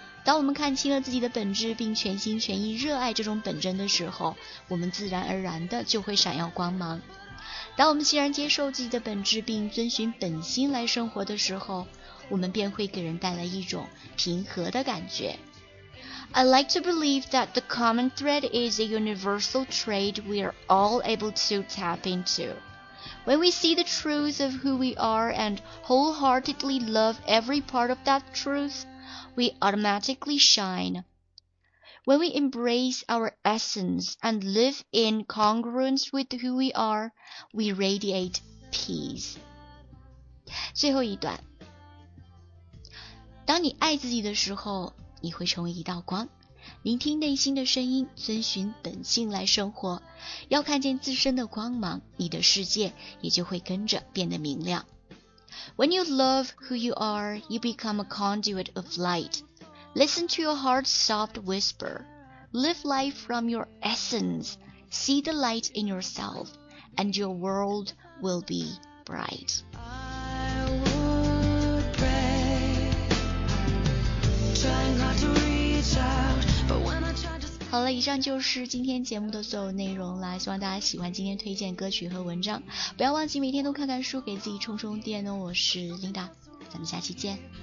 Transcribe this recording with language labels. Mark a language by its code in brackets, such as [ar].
[zh] 当我们看清了自己的本质，并全心全意热爱这种本真的时候，我们自然而然的就会闪耀光芒。当我们欣然接受自己的本质，并遵循本心来生活的时候，我们便会给人带来一种平和的感觉。 [en] I like to believe that the common thread is a universal trait we are all able to tap into. When we see the truth of who we are and wholeheartedly love every part of that truth,We automatically shine. When we embrace our essence and live in congruence with who we are, we radiate peace. [zh] 最后一段。当你爱自己的时候，你会成为一道光。聆听内心的声音，遵循本性来生活，要看见自身的光芒，你的世界也就会跟着变得明亮。 [en] When you love who you are, you become a conduit of light. Listen to your heart's soft whisper. Live life from your essence. See the light in yourself, and your world will be bright. I would pray, trying not to reach out, but when I try to speak. [zh] 好了，以上就是今天节目的所有内容啦，希望大家喜欢今天推荐歌曲和文章。不要忘记每天都看看书，给自己充充电哦。我是 Linda, 咱们下期见。